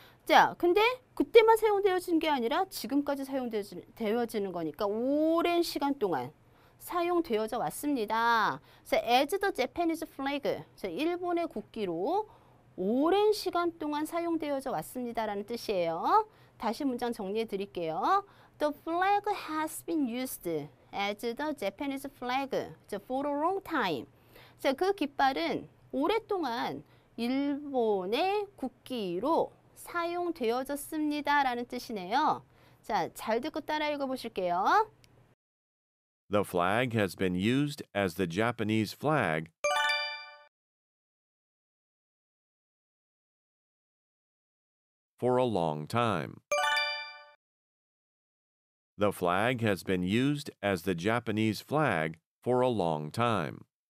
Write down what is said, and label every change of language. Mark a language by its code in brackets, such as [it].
[ko] 자, 근데 그때만 사용되어진 게 아니라 지금까지 사용되어지는 거니까 오랜 시간 동안 사용되어져 왔습니다. [en] So, as the Japanese flag, [ko] 일본의 국기로 오랜 시간 동안 사용되어져 왔습니다라는 뜻이에요. 다시 문장 정리해 드릴게요. [en] The flag has been used as the Japanese flag for a long time. [ko] 그 깃발은 오랫동안 일본의 국기로 사용되어졌습니다라는 뜻이네요. 자, 잘 듣고 따라 읽어보실게요. [en] The flag has been used as the Japanese flag for a long time. The flag has been used as the Japanese flag for a long time.